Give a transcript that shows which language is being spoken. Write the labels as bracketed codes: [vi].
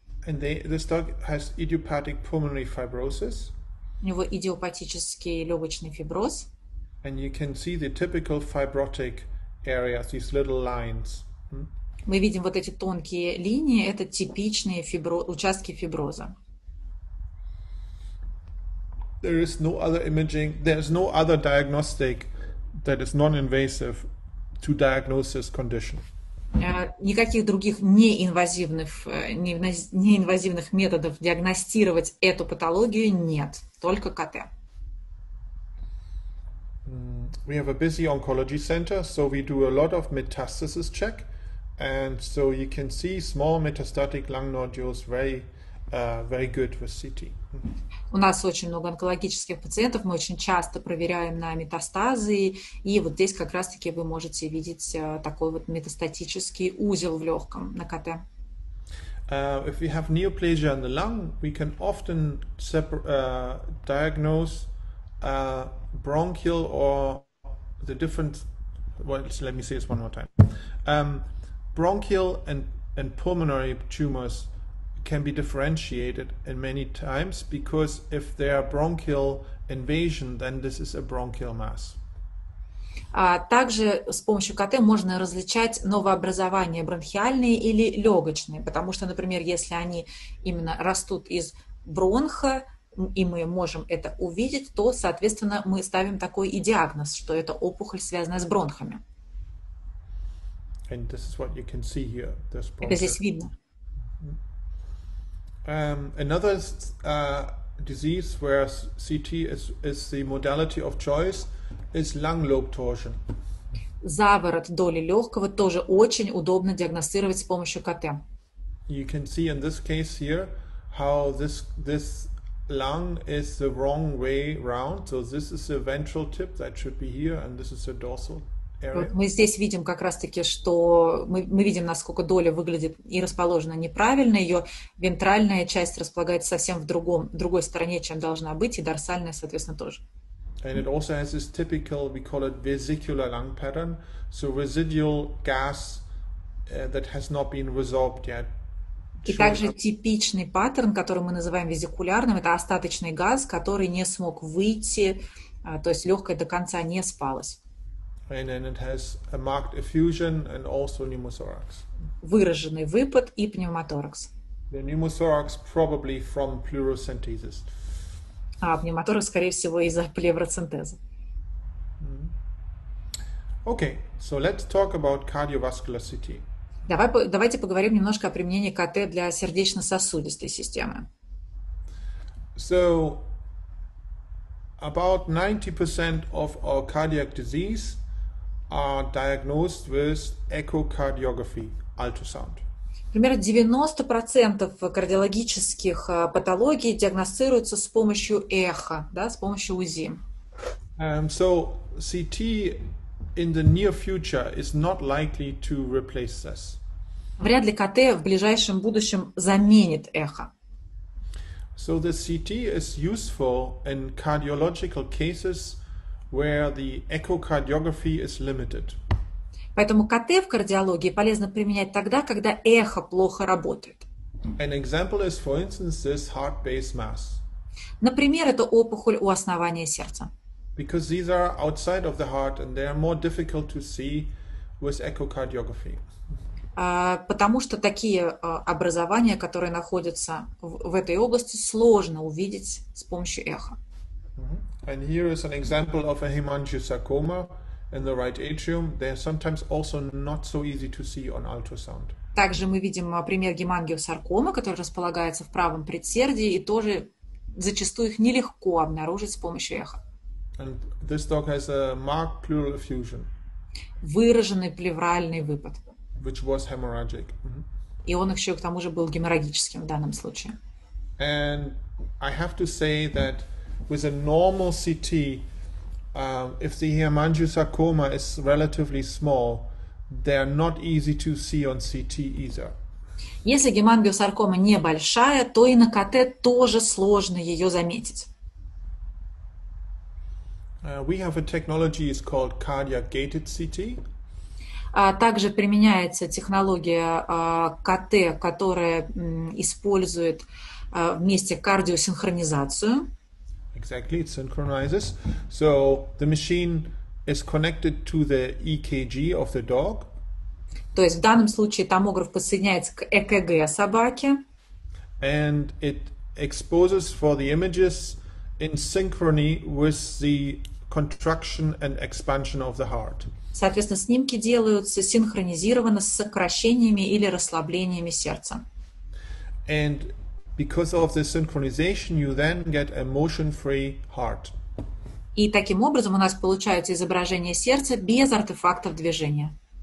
[en] And this dog has idiopathic pulmonary fibrosis. [ru] У него идиопатический легочный фиброз. [en] And you can see the typical fibrotic areas, these little lines. [ru] Мы видим вот эти тонкие линии, это типичные участки фиброза. [en] There is no other imaging, there is no other diagnostic that is non-invasive to diagnose this condition. [ru] Никаких других неинвазивных методов диагностировать эту патологию нет, только КТ. [en] We have a busy oncology center, so we do a lot of metastasis check. And so you can see small metastatic lung nodules very, very good with CT. [ru] У нас очень много онкологических пациентов, мы очень часто проверяем на метастазы, и вот здесь как раз-таки вы можете видеть такой вот метастатический узел в легком на КТ. [en] If we have neoplasia in the lung, we can often diagnose bronchial or the different. Well, let me say this one more time. Bronchial and pulmonary tumors can be differentiated in many times because if they are bronchial invasion, then this is a bronchial mass. [ru] Также с помощью КТ можно различать новообразования бронхиальные или легочные, потому что, например, если они именно растут из бронха, и мы можем это увидеть, то, соответственно, мы ставим такой и диагноз, что это опухоль, связанная с бронхами. [en] And this is what you can see here. This [ru] bronchial. Это здесь видно. [en] Another disease where CT is the modality of choice is lung lobe torsion. [ru] Заворот доли легкого тоже очень удобно диагностировать с помощью КТ. [en] You can see in this case here how this lung is the wrong way round. So this is the ventral tip that should be here, and this is the dorsal. [ru] Вот мы здесь видим как раз-таки, что мы видим, насколько доля выглядит и расположена неправильно. Ее вентральная часть располагается совсем в другой стороне, чем должна быть, и дорсальная, соответственно, тоже. [en] And it also has this typical, we call it vesicular lung pattern, so residual gas that has not been resolved yet. [ru] И также типичный паттерн, который мы называем везикулярным, это остаточный газ, который не смог выйти, то есть легкое до конца не спалось. [en] And then it has a marked effusion and also pneumothorax. [ru] Выраженный выпад и пневмоторакс. [en] The pneumothorax probably from pleurocentesis. [ru] А пневмоторакс, скорее всего, из-за плевроцентеза. [en] Okay, so let's talk about cardiovascular CT. [ru] Давайте поговорим немножко о применении КТ для сердечно-сосудистой системы. [en] So About 90% of all cardiac disease are diagnosed with echocardiography, ultrasound. [ru] Примерно 90% кардиологических патологий диагностируются с помощью эхо, да, с помощью УЗИ. [en] So CT in the near future is not likely to replace this. [ru] Вряд ли КТ в ближайшем будущем заменит эхо. [en] So the CT is useful in cardiological cases where the echocardiography is limited. [ru] Поэтому КТ в кардиологии полезно применять тогда, когда эхо плохо работает. [en] An example is, for instance, this heart-based mass. [ru] Например, это опухоль у основания сердца. [en] Because these are outside of the heart and they are more difficult to see with echocardiography. [ru] Потому что такие образования, которые находятся в этой области, сложно увидеть с помощью эхо. [en] And here is an example of a hemangiosarcoma in the right atrium. They are sometimes also not so easy to see on ultrasound. [ru] Также мы видим пример гемангиосаркомы, который располагается в правом предсердии, и тоже зачастую их нелегко обнаружить с помощью эхо. [en] And this dog has a marked pleural effusion. [ru] Выраженный плевральный выпад. [en] Which was hemorrhagic. Mm-hmm. [ru] И он еще к тому же был геморрагическим в данном случае. [en] And I have to say that with a normal CT, if the hemangiosarcoma is relatively small, they are not easy to see on CT either. [ru] Если гемангиосаркома небольшая, то и на КТ тоже сложно ее заметить. [en] We have a technology is called cardiac gated CT. [ru] Также применяется технология КТ, которая использует вместе кардиосинхронизацию. [en] Exactly, it synchronizes. So the machine is connected to the EKG of the dog. [ru] То есть в данном случае томограф подсоединяется к ЭКГ собаки. [en] And it exposes for the images in synchrony with the contraction and expansion of the heart. [ru] Соответственно, снимки делаются синхронизированно с сокращениями или расслаблениями сердца. [en] And because of the synchronization, you then get a motion-free heart. [ru] И таким образом у нас получается изображение сердца без артефактов движения.